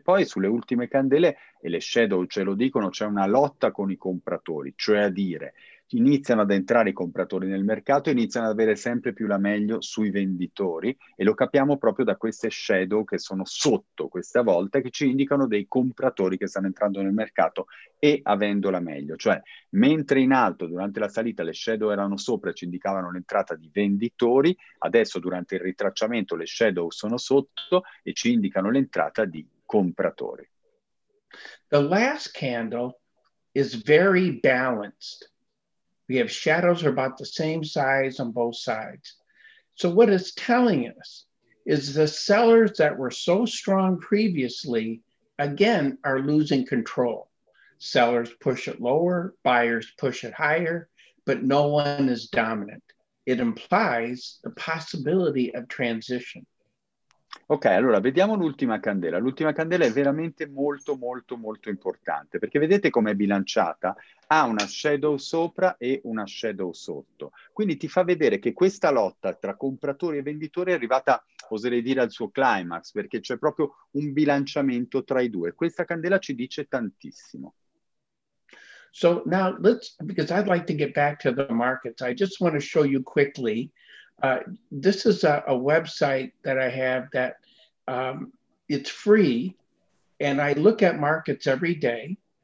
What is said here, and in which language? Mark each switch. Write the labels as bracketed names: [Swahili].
[Italian] Poi sulle ultime candele, e le shadow ce lo dicono, c'è una lotta con i compratori, cioè a dire, iniziano ad entrare i compratori nel mercato, iniziano ad avere sempre più la meglio sui venditori, e lo capiamo proprio da queste shadow che sono sotto questa volta, che ci indicano dei compratori che stanno entrando nel mercato e avendo la meglio. Cioè, mentre in alto, durante la salita, le shadow erano sopra e ci indicavano l'entrata di venditori, adesso durante il ritracciamento le shadow sono sotto e ci indicano l'entrata di compratori. [English] The last candle is very balanced. We have shadows about the same size on both sides. So what it's telling us is the sellers that were so strong previously, again, are losing control. Sellers push it lower, buyers push it higher, but no one is dominant. It implies the possibility of transition. [Italian] Ok, allora vediamo l'ultima candela. L'ultima candela è veramente molto, molto, molto importante, perché vedete com'è bilanciata? Ha una shadow sopra e una shadow sotto. Quindi ti fa vedere che questa lotta tra compratori e venditori è arrivata, oserei dire, al suo climax, perché c'è proprio un bilanciamento tra i due. Questa candela ci dice tantissimo. [English] So now, because I'd like to get back to the markets, I just want to show you quickly. This is a website that I have that it's free, and I look at markets every day.